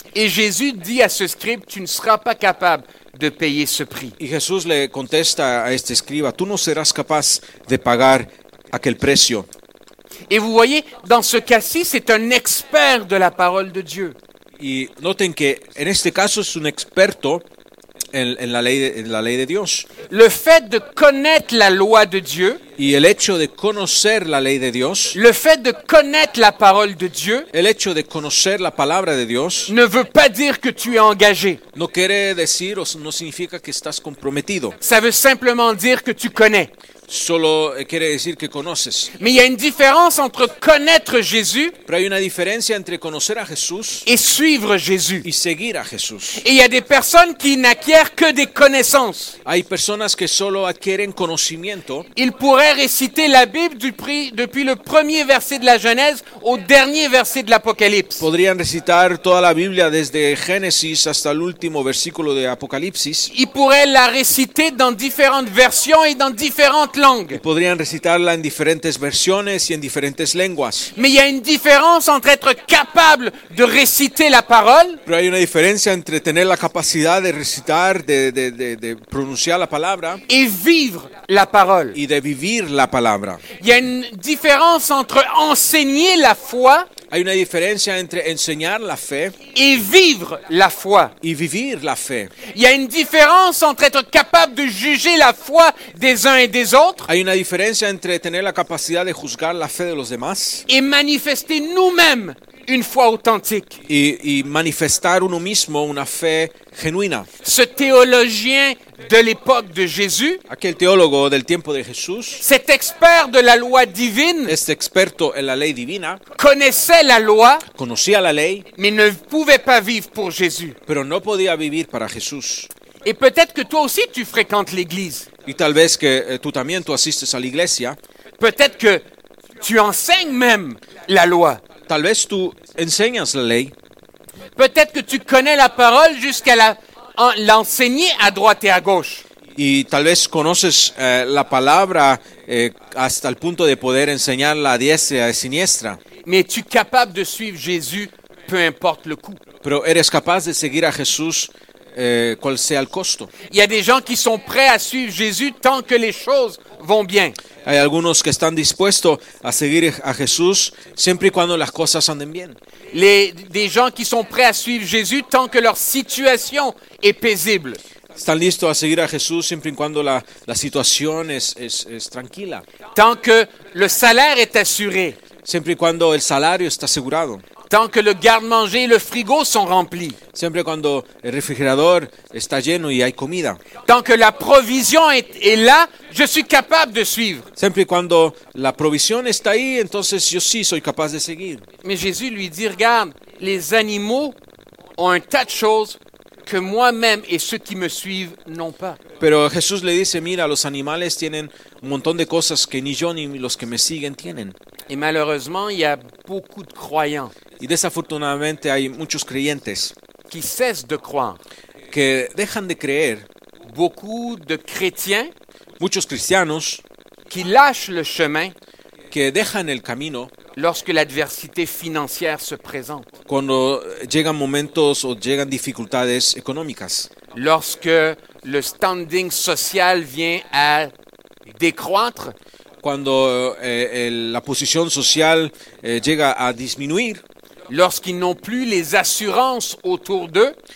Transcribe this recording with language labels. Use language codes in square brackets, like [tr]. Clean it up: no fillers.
[fr] Et Jésus dit à ce scribe, tu ne seras pas capable de payer ce prix. [es] Y Jesús le contesta a este escriba, tú no serás capaz de pagar aquel precio. [fr] Et vous voyez, dans ce cas-ci, c'est un expert de la parole de Dieu. [es] Y noten que en este caso es un experto en la ley de Dios. [fr] Le fait de connaître la loi de Dieu. [es] Y el hecho de conocer la ley de Dios. [fr] Le fait de connaître la parole de Dieu. [es] El hecho de conocer la palabra de Dios. [fr] Ne veut pas dire que tu es engagé. [es] No quiere decir o no significa que estás comprometido. [fr] Ça veut simplement dire que tu connais. [es] Solo quiere decir que conoces. [fr] Mais il y a une différence entre connaître Jésus. [es] Pero hay una diferencia entre conocer a Jesús. [fr] Et suivre Jésus. [es] Y seguir a Jesús. [fr] Et il y a des personnes qui n'acquièrent que des connaissances. [es] Hay personas que solo adquieren conocimiento. [fr] Ils pourraient réciter la Bible depuis le premier verset de la Genèse au dernier verset de l'Apocalypse. [es] Podrían recitar toda la Biblia desde Génesis hasta el último versículo de Apocalipsis. [fr] Ils pourraient la réciter dans différentes versions et dans différentes différentes langues. [es] Ils podrían recitarla en diferentes versiones y en diferentes lenguas. [fr] Mais il y a une différence entre être capable de réciter la parole. [es] Pero hay una diferencia entre tener la capacidad de recitar, de pronunciar la palabra. [fr] Et vivre la parole. [es] Y de vivir la palabra. [fr] Il y a une différence entre enseigner la foi. [es] Hay una diferencia entre enseñar la fe y vivir [fr] la foi. [es] Y vivir la fe. Y hay una diferencia entre [fr] être capable de juger la foi des uns et des autres. [es] Hay una diferencia entre tener la capacidad de juzgar la fe de los demás. [fr] Y manifester nous-mêmes une foi authentique. [es] Y manifestar uno mismo una fe genuina. [fr] Ce théologien de l'époque de Jésus. [es] Aquel teólogo del tiempo de Jesús. [fr] Cet expert de la loi divine. [es] Este experto en la ley divina. [fr] Connaissait la loi. [es] Conocía la ley. [fr] Mais ne pouvait pas vivre pour Jésus. [es] Pero no podía vivir para Jesús. [fr] Et peut-être que toi aussi tu fréquentes l'église. [es] Y tal vez que tú también tú asistes a la iglesia. [fr] Peut-être que tu enseignes même la loi. [es] Tal vez tú enseñas la ley. [fr] Peut-être que tu connais la parole jusqu'à la l'enseigner à droite et à gauche. [es] Y tal vez conoces la palabra hasta el punto de poder enseñarla a diestra y a siniestra. [fr] Mais es-tu capable de suivre Jésus peu importe le coût? [es] Pero eres capaz de seguir a Jesús cual sea el costo. [fr] Il y a des gens qui sont prêts à suivre Jésus tant que les choses vont bien. [es] Hay algunos que están dispuestos a seguir a Jesús siempre y cuando las cosas anden bien. [fr] Des gens qui sont prêts à suivre Jésus tant que leur situation est paisible. [es] Están listos a seguir a Jesús siempre y cuando la situación es tranquila. [fr] Tant que le salaire est assuré. [es] Siempre y cuando el salario está asegurado. [fr] Tant que le garde-manger et le frigo sont remplis. [es] Siempre cuando el refrigerador está lleno y hay comida. [fr] Tant que la provision est là, je suis capable de suivre. [es] Siempre cuando la provisión está ahí, entonces yo sí soy capaz de seguir. [fr] Mais Jésus lui dit, regarde, les animaux ont un tas de choses que moi-même et ceux qui me suivent n'ont pas. [es] Pero Jesús le dice, mira, los animales tienen un montón de cosas que ni yo ni los que me siguen tienen. [fr] Et malheureusement, il y a beaucoup de croyants. [es] Y desafortunadamente hay muchos creyentes [fr] qui cessent de croire. [es] Que dejan de creer. [fr] Beaucoup de chrétiens, [es] muchos cristianos, [fr] qui lâchent le chemin, [es] que dejan el camino, [fr] lorsque l'adversité financière se présente. [es] Cuando llegan momentos o llegan dificultades económicas. [fr] Lorsque le standing social vient à décroître. [es] Cuando la posición social llega a disminuir. [fr] Lorsqu'ils n'ont plus les assurances autour d'eux.